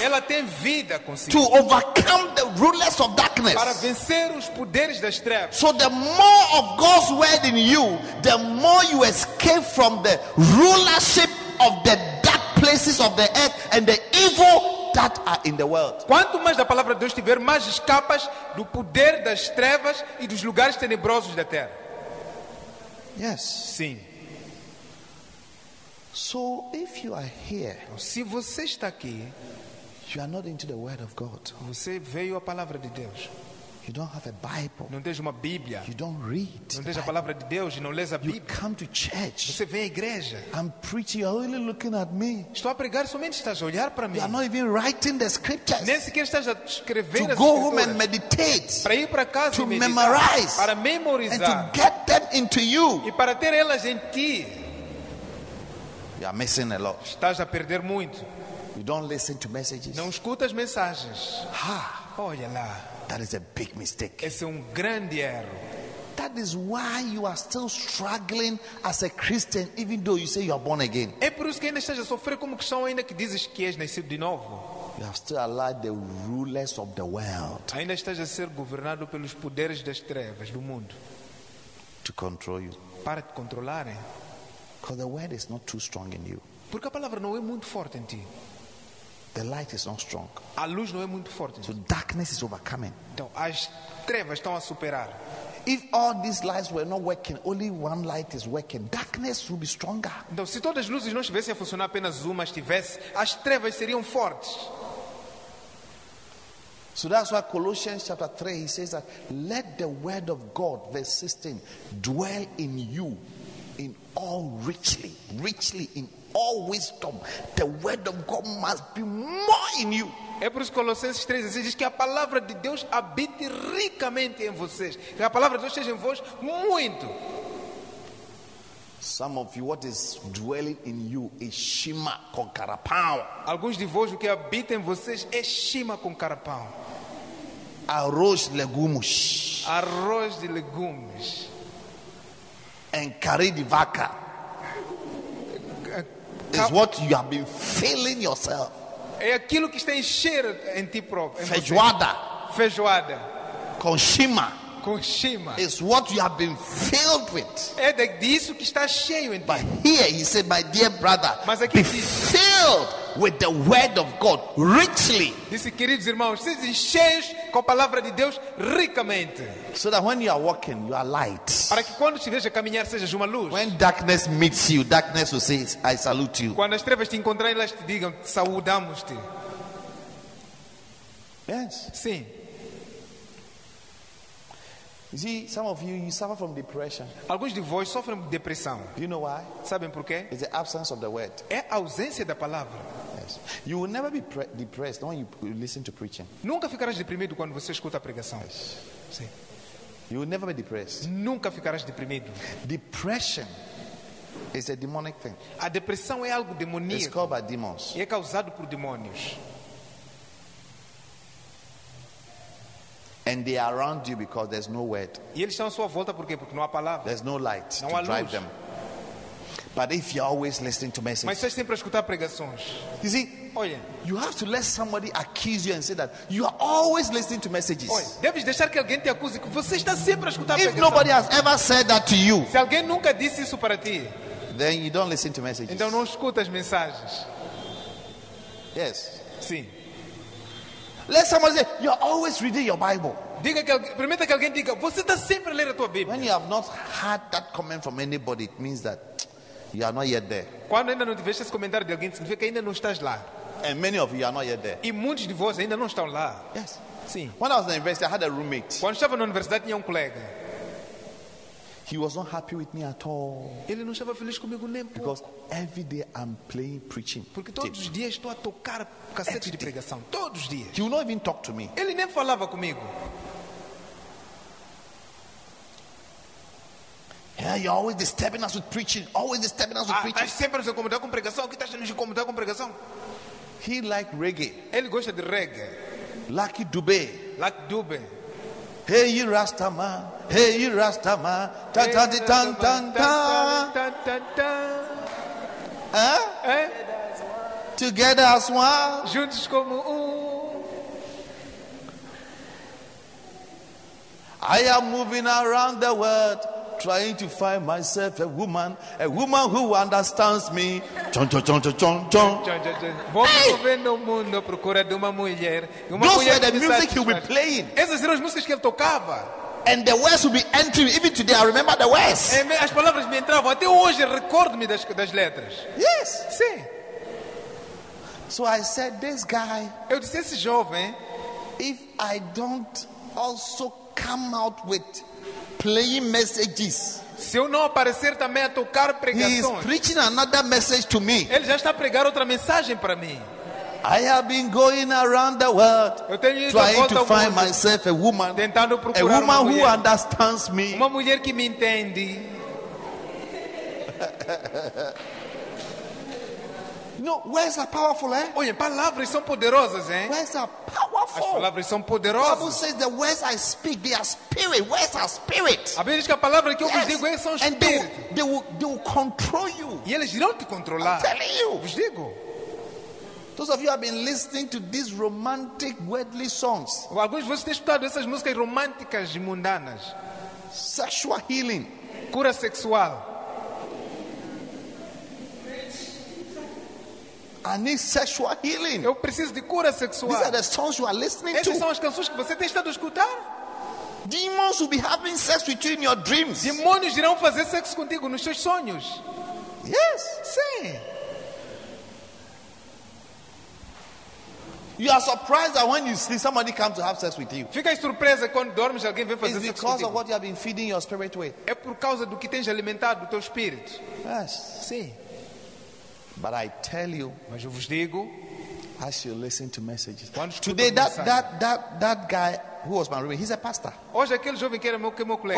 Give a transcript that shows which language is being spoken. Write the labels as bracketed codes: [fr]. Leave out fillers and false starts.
[pt] E ela tem vida consigo. [en] To overcome the rulers of darkness. [pt] Para vencer os poderes das trevas. [en] So the more of God's word in you, the more you escape from the rulership of the dark places of the earth and the evil that are in the world. [pt] Quanto mais da palavra de Deus tiver, mais escapas do poder das trevas e dos lugares tenebrosos da terra. [en] Yes. [pt] Sim. [en] So if you are here, [pt] então, se você está aqui, [en] you are not into the word of God. [pt] Você veio à palavra de Deus. [en] You don't have a Bible. [pt] Não tens uma Bíblia. [en] You don't read. [pt] Não tens a palavra de Deus e não lês a Bíblia. [en] You come to church. [pt] Você vem à igreja. [en] I'm preaching. You're only looking at me. [pt] Estou a pregar somente estás a olhar para mim. [en] You're not even writing the scriptures. [pt] Nem sequer estás a escrever [en] to [pt] as [en] go [pt] escrituras. [en] Home and meditate. [pt] Para ir para casa [en] to [pt] e meditar. [en] Memorize. [pt] Para memorizar. [en] And to get them into you. [pt] E para ter elas em ti. [en] You are missing a lot. [pt] Estás a perder muito. [en] You don't listen to messages. [pt] Não escutas mensagens. Ha. Olha lá. [en] That is a big mistake. [pt] Esse é grande erro. [en] That is why you are still struggling as a Christian, even though you say you are born again. [pt] É por isso que ainda estás a sofrer como cristão, ainda que dizes que és nascido de novo. [en] You have still allowed the rulers of the world. [pt] Ainda estás a ser governado pelos poderes das trevas do mundo. [en] To control you. [pt] Para te controlarem. [en] Because the word is not too strong in you. [pt] Porque a palavra não é muito forte em ti. [en] The light is not strong. [pt] A luz não é muito forte. [en] So darkness is overcoming. [pt] Então as trevas estão a superar. [en] If all these lights were not working, only one light is working, darkness would be stronger. [pt] Então se todas as luzes não estivessem a funcionar, apenas uma estivesse, as trevas seriam fortes. [en] So that's why Colossians chapter 3, he says that let the word of God, verse 16, dwell in you in all richly in all wisdom. The word of God must be more in you. [pt] É por isso que Colossenses 3 diz que a palavra de Deus habite ricamente em vocês, que a palavra de Deus esteja em vós muito. [en] Some of you, what is dwelling in you is [pt] shima com carapau. Alguns de vós, o que habita em vocês é shima com carapau. Arroz de legumes and curry de vaca. [en] Is what you have been feeling yourself. [pt] É aquilo que está enchendo em ti próprio. Feijoada. Com shima. [en] Is what you have been filled with. [pt] É disso que está cheio em ti. [en] But here he said, my dear brother, [pt] mas aqui diz, [en] filled with the word of God richly. [pt] Disse, queridos irmãos, se enchem com a palavra de Deus ricamente. [en] So that when you are walking, you are light. [pt] Para que quando estiveres a caminhar sejas uma luz. [en] When darkness meets you, darkness will say, I salute you. [pt] Quando as trevas te encontrarem, elas te digam, saudamos-te. [en] Yes. [pt] Sim. [en] You see, some of you, you suffer from depression. [pt] Alguns de vós sofrem de depressão. [en] You know why? [pt] Sabem por quê? [en] It's the absence of the word. [pt] É a ausência da palavra. [en] Yes. You will never be depressed when you listen to preaching. [pt] Nunca ficarás deprimido quando você escuta a pregação. [en] Yes. [pt] Sim. [en] You will never be depressed. [pt] Nunca ficarás deprimido. [en] Depression is a demonic thing. [pt] A depressão é algo demoníaco. [en] It's called by demons. [pt] E é causado por demônios. [en] And they are around you because there's no word. [pt] E eles estão à sua volta por quê? Porque não há palavra. [en] There's no light [pt] não [en] to [pt] há [en] drive Them. But if you're always listening to messages, [pt] mas estás sempre a escutar pregações. [en] You see, [pt] olha, [en] you have to let somebody accuse you and say that you are always listening to messages. [pt] Olha, deves deixar que alguém te acuse que você está sempre a escutar pregações. [en] If nobody has ever said that to you, [pt] se alguém nunca disse isso para ti, [en] then you don't listen to messages. [pt] Então não escutas mensagens. [en] Yes. [pt] Sim. [en] Let somebody say, you are always reading your Bible. [pt] Diga que alguém, permita que alguém diga, você está sempre a ler a tua Bíblia. [en] When you have not heard that comment from anybody, it means that you are not yet there. [pt] Quando ainda não tiveste esse comentário de alguém, significa que ainda não estás lá. [en] And many of you are not yet there. [pt] E muitos de vós ainda não estão lá. [en] Yes. [pt] Sim. [en] When I was in university, I had a roommate. [pt] Quando estava na universidade, tinha colega. [en] He was not happy with me at all. [pt] Ele não estava feliz comigo nem pouco. [en] Because every day I'm playing preaching. [pt] Porque todos os dias estou a tocar cassetes de pregação. Todos os dias. [en] He would not even talk to me. [pt] Ele nem falava comigo. [en] Yeah, you're always disturbing us with preaching. Always disturbing us with preaching. [pt] Ah, sempre nos incomodar com pregação. O que está a nos incomodar com pregação? [en] He liked reggae. [pt] Ele gosta de reggae. [en] Lucky Dube. Lucky Dube. Hey, you Rasta man. Hey, you Rasta man. Ta ta ta ta ta ta ta ta ta. Together as one. [pt] Juntos como um. [en] I am moving around the world, trying to find myself a woman who understands me. Chon chon chon chon chon chon. [pt] Movendo o mundo à procura de uma mulher. [en] Those were the music he'll be playing. [pt] Essas eram as músicas que ele tocava. [en] And the words will be entering even today. I remember the words. [pt] As palavras me entravam até hoje. Recordo-me das letras. [en] Yes. [pt] Sim. [en] So I said, this guy. [pt] Eu disse esse jovem, [en] if I don't also come out with playing messages. [pt] Se eu não aparecer também a tocar pregações. [en] He is preaching another message to me. [pt] Ele já está a pregar outra mensagem para mim. [en] I have been going around the world trying to find myself a woman, [pt] tentando procurar [en] a woman who understands me. [pt] Uma mulher que me entende. [en] No, words are powerful, eh? [pt] Olha, palavras são poderosas, hein? [en] Words are powerful. [pt] As palavras são poderosas. [en] The Bible says the words I speak, they are spirit. Words are spirit. [pt] A Bíblia diz que a palavra que eu vos digo, são espírito. [en] And they will control you. [pt] E eles irão te controlar. [en] I'm telling you. [pt] Vos digo. [en] Those of you have been listening to these romantic, worldly songs. [pt] Alguns de vocês têm escutado essas músicas românticas e mundanas. [en] Sexual healing. [pt] Cura sexual. [en] I need sexual healing. [pt] Eu preciso de cura sexual. [en] These are the songs you are listening [pt] Essas [en] to. [pt] São as canções que você tem estado a escutar. [en] Demons will be having sex with you in your dreams. [pt] Demônios irão fazer sexo contigo nos seus sonhos. [en] Yes. [pt] Sim. [en] You are surprised that when you see somebody come to have sex with you. [pt] Fica surpresa quando dormes alguém vem fazer sexo contigo. [en] It's because of what you have been feeding your spirit with. [pt] É por causa do que tens alimentado o teu espírito. [en] Yes. [pt] Sim. [en] But I tell you, [pt] mas eu vos digo, [en] as you listen to messages. [pt] Quando escuto [en] today, that guy who was my roommate, he's a pastor. [pt] Hoje aquele jovem que era meu colega.